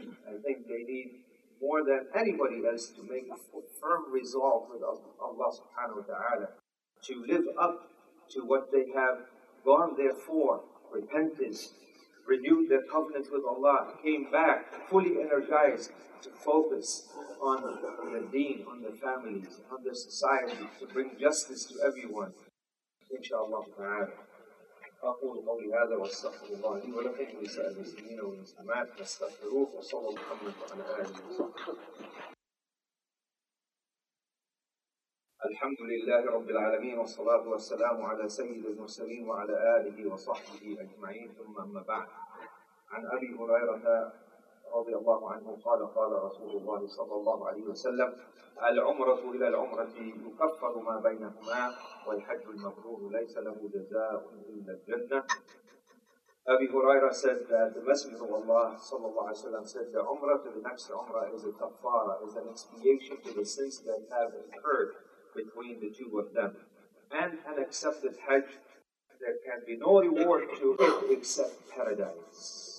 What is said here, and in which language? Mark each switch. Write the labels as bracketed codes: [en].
[en] I think they need more than anybody else to make a firm resolve with Allah subhanahu wa ta'ala to live up to what they have gone there for, repentance, renewed their covenant with Allah, came back fully energized to focus on the deen, on the families, on the society, to bring justice to everyone. Inshallah ta'ala. [ar] أقول قولي هذا واستغفر الله لي ولكم ولسائر المسلمين والمسلمات فاستغفروه وصلى الله محمد وعلى آله وصحبه. الحمد لله رب العالمين والصلاة والسلام على سيد المرسلين وعلى آله وصحبه أجمعين. ثم أما بعد، عن أبي هريرة رضي الله عنه قال قال رسول الله صلى الله عليه وسلم: العمرة إلى العمرة يكفر ما بينهما، والحج المبرور ليس له جزاء إلا الجنة. [en] أبي هريرة said that the Messenger of Allah [ar] صلى الله عليه وسلم [en] said the عمرة, the next عمرة, is a كفارة, is an expiation to the sins that have occurred between the two of them. And an accepted Hajj, there can be no reward to it except paradise.